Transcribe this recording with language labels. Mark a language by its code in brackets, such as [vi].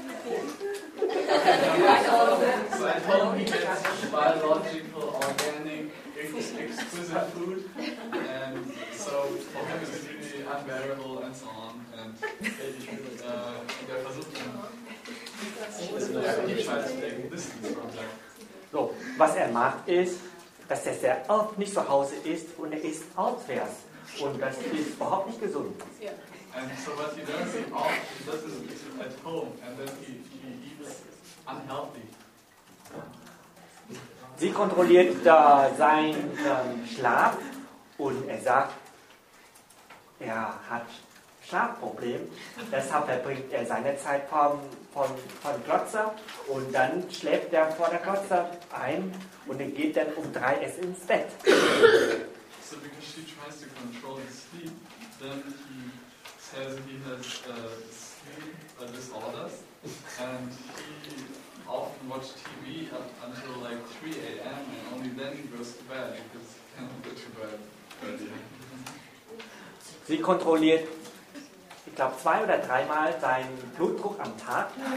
[en] So at home he gets biological, organic, exquisite food, and so for him it's really unbearable and so on, and he tries to take distance from that. [de] So, was macht ist, dass sehr oft nicht zu Hause ist und ist auswärts. Und das ist überhaupt nicht gesund. [en] And so what he does, he often does it at home, and then he eats unhealthy. [de] Sie kontrolliert seinen Schlaf, und sagt, er hat Schlafproblem. Deshalb verbringt er seine Zeit von Glotzer, und dann schläft er vor der Glotzer ein, und dann geht dann um 3 Uhr ins Bett. [en] So because she tries to control his sleep, then he says he has sleep disorders, and he often watches TV up until like 3 a.m. and only then he goes to bed because he cannot go to bed earlier. [de] Sie kontrolliert, ich glaube, 2 oder 3 Mal seinen Blutdruck am Tag.